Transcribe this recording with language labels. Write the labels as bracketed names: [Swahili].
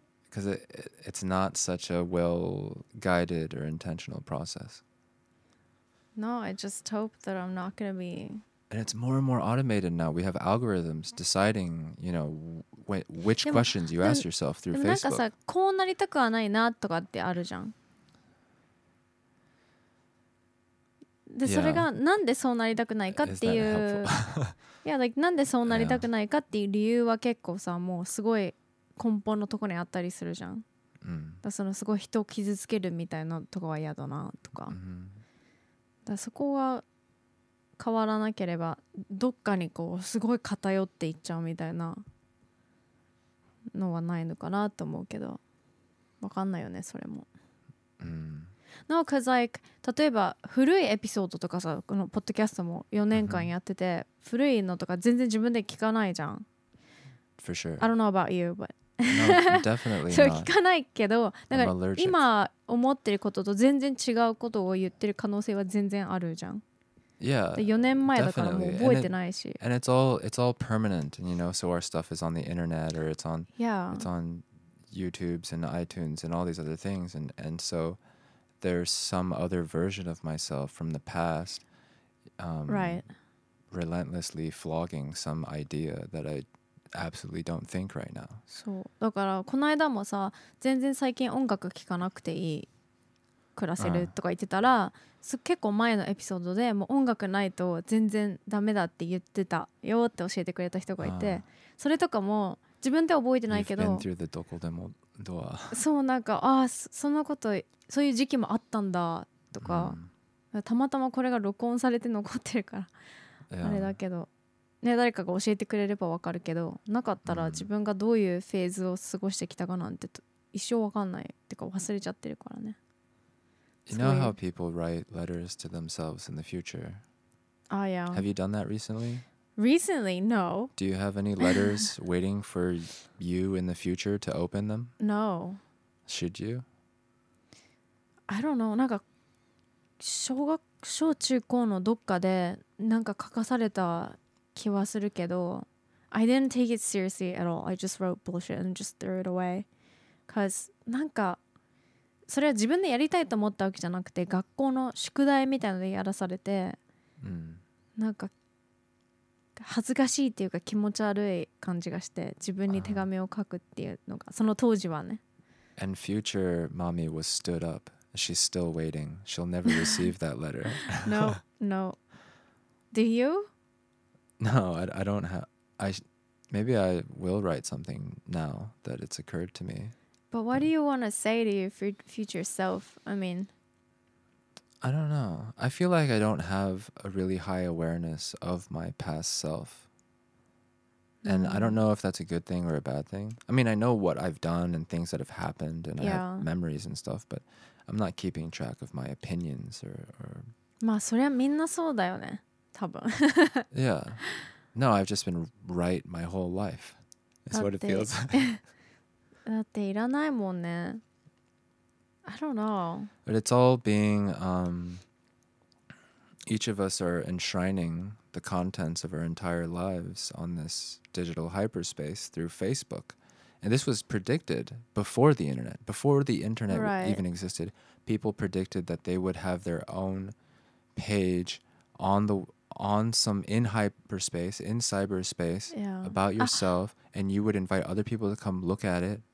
[English] Because it's not such a well-guided or intentional process. No, I just hope that I'm not going to be... And it's more and more automated now. We have algorithms deciding, you know, which questions you ask yourself through Facebook. [Japanese] でもなんかさ、こうなりたくはないなとかってあるじゃん。で、それがなんでそうなりたくないかっていう、いや、なんでそうなりたくないかっていう理由は結構さ、もうすごい根本のとこにあったりするじゃん。だそのすごい人を傷つけるみたいなとかは嫌だなとか。だそこは変わらなければどっかにこうすごい偏っていっちゃうみたいなのはないのかなと思うけど、わかんないよねそれも。 [English] No, cause like [Japanese] 例えば古いエピソードとかさ、このポッドキャストも4年間やってて、古いのとか全然自分で聞かないじゃん。 [English] For sure. I don't know about you, but no, definitely not. [Japanese] 聞かないけど、だから今思ってることと全然違うことを言ってる可能性は全然あるじゃん。 [English] Yeah, definitely. And it's all permanent, and you know, so our stuff is on the internet or it's on, yeah, it's on YouTube and iTunes and all these other things. And so there's some other version of myself from the past, right, relentlessly flogging some idea that I absolutely don't think right now. [Japanese] So, だからこの間もさ、全然最近音楽聴かなくていい。暮らせるとか言ってたら、結構前のエピソードでもう音楽ないと全然ダメだって言ってたよって教えてくれた人がいて、それとかも自分で覚えてないけど、 [English] You've been through the どこでもドア、 [Japanese] そう、なんかあ、そのことそういう時期もあったんだとか、たまたまこれが録音されて残ってるからあれだけど、ね、誰かが教えてくれればわかるけど、なかったら自分がどういうフェーズを過ごしてきたかなんて一生わかんないってか忘れちゃってるからね。 [English] You know how people write letters to themselves in the future? Oh, yeah. Have you done that recently? Recently, no. Do you have any letters waiting for you in the future to open them? No. Should you? I don't know. [Japanese] なんか小中高のどっかでなんか書かされた気はするけど、 [English] I didn't take it seriously at all. I just wrote bullshit and just threw it away. [Japanese] Because なんかそれは自分でやりたいと思ったわけじゃなくて、学校の宿題みたいのでやらされて、なんか恥ずかしいっていうか気持ち悪い感じがして、自分に手紙を書くっていうのがその当時はね。 [English] And future mommy was stood up. She's still waiting. She'll never receive that letter. No, no. Do you? No, I don't have. Maybe I will write something now that it's occurred to me. But what do you want to say to your future self? I mean, I don't know. I feel like I don't have a really high awareness of my past self. And I don't know if that's a good thing or a bad thing. I mean, I know what I've done and things that have happened and、 yeah. I have memories and stuff, but I'm not keeping track of my opinions or... [Japanese] まあ、それはみんなそうだよね、多分。 [English] Yeah. No, I've just been right my whole life. That's what it feels like. [Japanese] だっていらないもんね。 [English] I don't know. But it's all being, each of us are enshrining the contents of our entire lives on this digital hyperspace through Facebook. And this was predicted before the internet, before the internet even existed. People predicted that they would have their own page on the in hyperspace, in cyberspace, about yourself, and you would invite other people to come look at it.